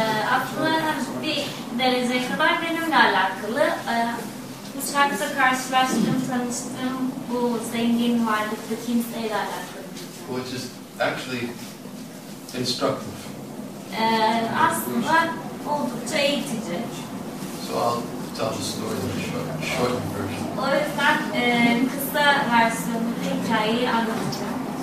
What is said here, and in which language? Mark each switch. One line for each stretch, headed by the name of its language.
Turkish: Aklına bir derece kadar benimle alakalı. Uçakta karşılaştığım, tanıştığım bu zengin varlıklı kimseyle alakalı.
English: Which is actually instructive.
Turkish: Aslında oldukça eğitici.
English: So I'll tell the story in a short version.
Turkish: O yüzden kısa versiyonunda hikayeyi anlatacağım.